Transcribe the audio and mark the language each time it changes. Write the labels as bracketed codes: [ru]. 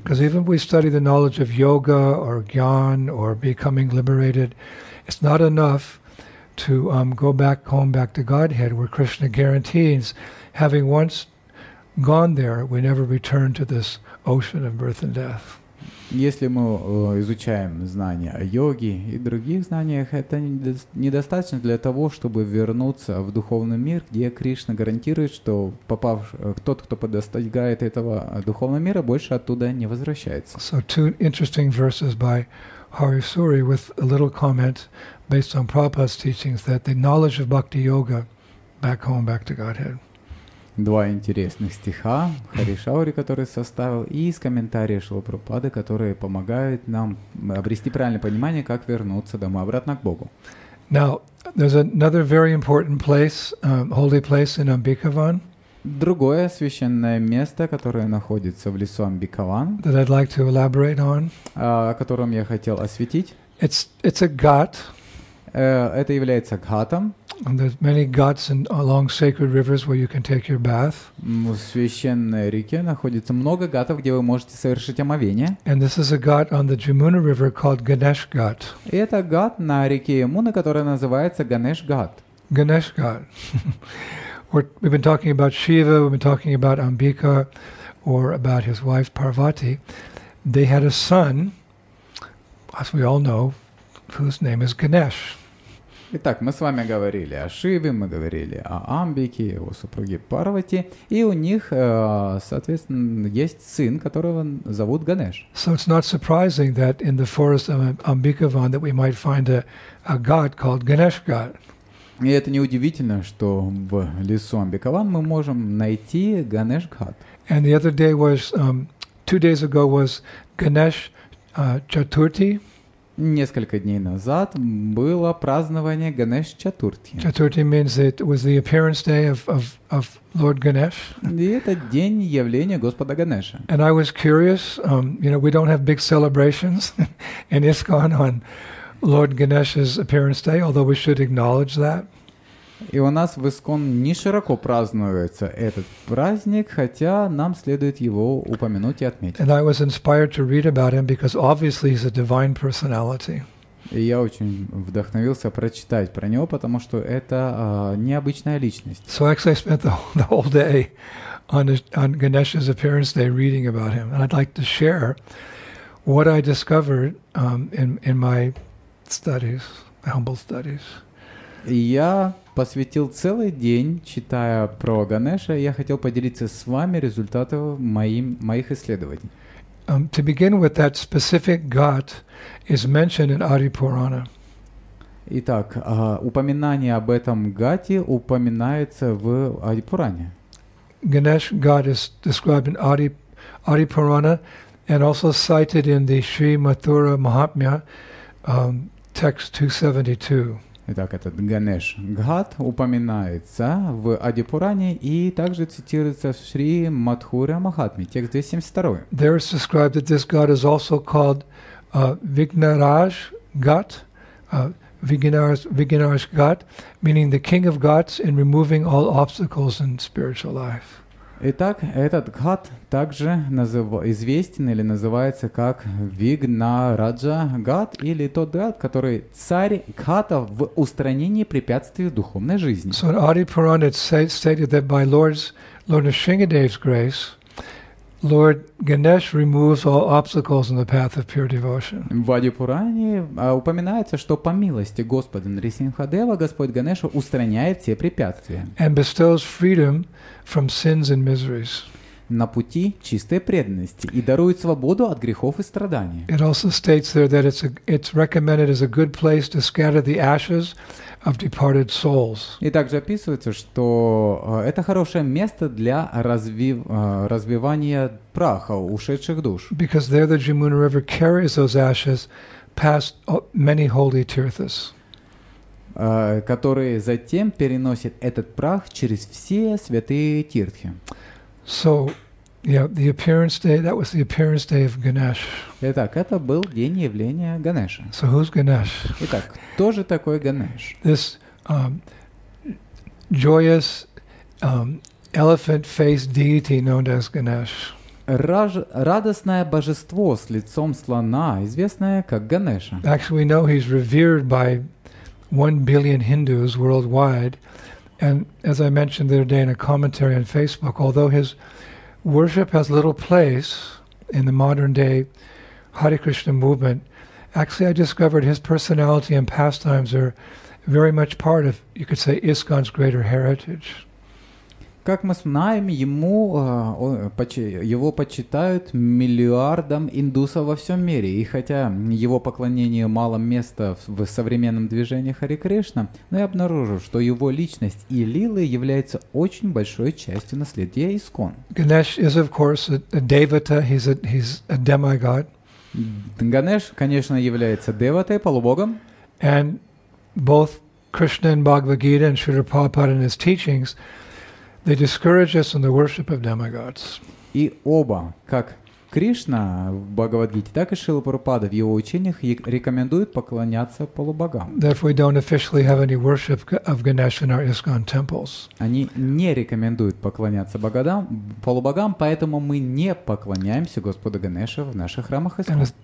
[en] Because even if we study the knowledge of yoga or gyan or becoming liberated, it's not enough to go back home, back to Godhead, where Krishna guarantees, having once gone there, we never return to this ocean of birth and death. [ru] Если мы изучаем знания о йоге и других знаниях, это недостаточно для того, чтобы вернуться в духовный мир, где Кришна гарантирует, что тот, кто достигает этого духовного мира, больше оттуда не возвращается. [en] So two interesting verses by Hari Suri with a little comment based on Prabhupada's teachings that the knowledge of bhakti yoga back home, back to Godhead. [ru] Два интересных стиха Хари Шаури, который составил, и из комментариев Шрилы Прабхупады, которые помогают нам обрести правильное понимание, как вернуться домой обратно к Богу. [en] Now, there's another very important place, holy place in Ambikavan. [ru] Другое священное место, которое находится в лесу Амбикаван, [en] that I'd like to elaborate on. [ru] О котором я хотел осветить. [en] It's a ghat. [ru] Это является гхатом. [en] And there's many ghats and along sacred rivers where you can take your bath. [ru] В священной реке находится много гатов, где вы можете совершить омовение. [en] And this is a ghat on the Jamuna River called Ganesh Ghat. [ru] И это ghat на реке Ямуна, которая называется Ganesh Ghat. [en] Ganesh Ghat. We've been talking about Shiva, we've been talking about Ambika, or about his wife Parvati. They had a son, as we all know, whose name is Ganesh. [ru] Итак, мы с вами говорили о Шиве, мы говорили о Амбике, его супруге Парвати, и у них, соответственно, есть сын, которого зовут Ганеш. [en] So it's not surprising that in the forest of Ambikavan that we might find a god called Ganesh God. [ru] И это неудивительно, что в лесу Амбикаван мы можем найти Ганеш Гхат. [en] And the other day was, 2 days ago was Ganesh Chaturthi. [ru] Несколько дней назад было празднование Ганеш Чатурти. [en] Chaturthi means it was the appearance day of Lord Ganesh. [ru] И это день явления Господа Ганеша. [en] And I was curious, you know, we don't have big celebrations in ISKCON on Lord Ganesh's appearance day, although we should acknowledge that. [ru] И у нас в ИСКОН не широко празднуется этот праздник, хотя нам следует его упомянуть и отметить. [en] And I was inspired to read about him because obviously he's a divine personality. [ru] И я очень вдохновился прочитать про него, потому что это необычная личность. [en] So actually I spent the whole day on Ganesh's appearance day reading about him, and I'd like to share what I discovered in my studies, humble studies. [ru] Я посвятил целый день, читая про Ганеша, и я хотел поделиться с вами результатами моих исследований. [en] To begin with, that specific god is mentioned in Adi Purana. [ru] Итак, упоминание об этом гате упоминается в Ади Пуране. [en] Ganesh god is described in Adi Purana and also cited in the Sri Mathura Mahatmya. Text 272. [ru] Итак, этот Ганеш Гхат упоминается в Ади Пуране и также цитируется в Шри Матхура Махатме, текст 272. [en] There is described that this god is also called Vignaraj Ghat, Vignaraj Ghat, meaning the king of ghats in removing all obstacles in spiritual life. [ru] Итак, этот гхат также известен или называется как Вигнараджа гхат, или тот гхат, который царь гхатов в устранении препятствий в духовной жизни. [en] So in Adi Purana it stated that by Lord Nrisingadev's grace, Lord Ganesh removes all obstacles in the path of pure devotion. [ru] В Ади Пуране упоминается, что по милости Господа Нрисингхадева Господь Ганеш устраняет все препятствия. [en] And bestows freedom from sins and miseries. [ru] На пути чистой преданности и дарует свободу от грехов и страданий. [en] It also states there that it's recommended as a good place to scatter the ashes of departed souls. [ru] И также описывается, что это хорошее место для развивания праха ушедших душ. [en] Because there the Jamuna River carries those ashes past many holy tirthas. [ru] Которые затем переносят этот прах через все святые тиртхи. [en] So, yeah, the appearance day, that was the appearance day of Ganesh. [ru] Итак, это был день явления Ганеша. [en] So who's Ganesh? [ru] Итак, кто же такой Ганеш? [en] This joyous elephant-faced deity known as Ganesh. [ru] Радостное божество с лицом слона, известное как Ганеша. [en] Actually, we know he's revered by 1 billion Hindus worldwide. And as I mentioned the other day in a commentary on Facebook, although his worship has little place in the modern day Hare Krishna movement, actually I discovered his personality and pastimes are very much part of, you could say, ISKCON's greater heritage. [ru] Как мы знаем, его почитают миллиардом индусов во всем мире. И хотя его поклонению мало места в современном движении Хари Кришна, но я обнаружил, что его личность и лилы являются очень большой частью наследия ИСКОН. [en] Ганеш is, of course, a devata, he's a demigod. [ru] Ганеш, конечно, является деватой, полубогом. [en] And both Krishna in Bhagavad Gita and Śrīla Prabhupāda in his teachings, they discourage us in the worship of demigods. [ru] И оба, как Кришна в Бхагавад-гите, так и Шрила Прабхупада в его учениях рекомендует поклоняться полубогам. [en] Therefore, we don't officially have any worship of Ganesha in our ISKCON temples. [ru] Они не рекомендуют поклоняться богам, полубогам, поэтому мы не поклоняемся Господу Ганеше в наших храмах ISKCON.